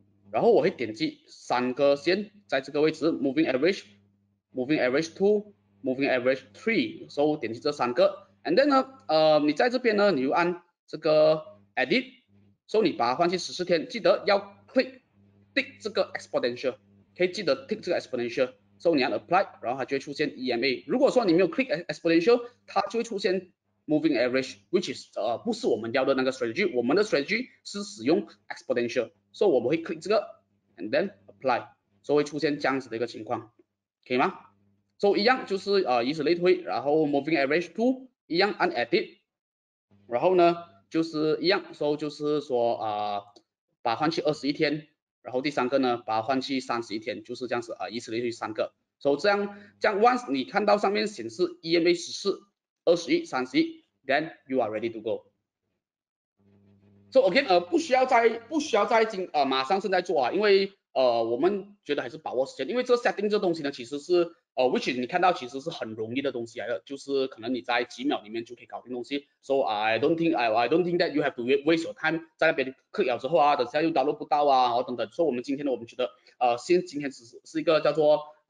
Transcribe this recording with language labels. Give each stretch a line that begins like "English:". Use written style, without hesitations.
Chinese: 然后我会点击三个线在这个位置 moving average moving average 2 moving average 3 so 点击这三个
English: and then
Chinese: 呢你在这边呢你就按这个 edit so 你把它换去14天记得要
English: click tick
Chinese: 这个 exponential 可以记得 tick 这个 exponential so 你按 apply 然后它就会出现 EMA 如果说你没有 click exponential 它就会出现
English: Moving average, which is
Chinese: 不是我们要的那个 strategy. 我们的 strategy 是使用 exponential. So 我们会 click 这个
English: and then apply.
Chinese: So 会出现这样子的一个情况，可以吗 ？So 一样就是以此类推，然后 moving average to 一样按 edit， 然后呢就是一样 ，so 就是说把换去二十一天，然后第三个呢把换去三十一天，就是这样子以此类推三个。 So 这样 once 你看到上面显示 EMA 十四。二十一、三十一
English: ，then you are ready to go.
Chinese: So again, 不需要再马上现在做啊，因为我们觉得还是把握时间，因为这 setting 这东西呢，其实是which 你看到其实是很容易的东西来的，就是可能你在几秒里面就可以搞定东西。
English: So I don't think that you have to waste your time
Chinese: 在那边 click 了之后啊，等下又 download 不到啊，然后等等。所以我们今天呢，我们觉得今天只是一个叫做。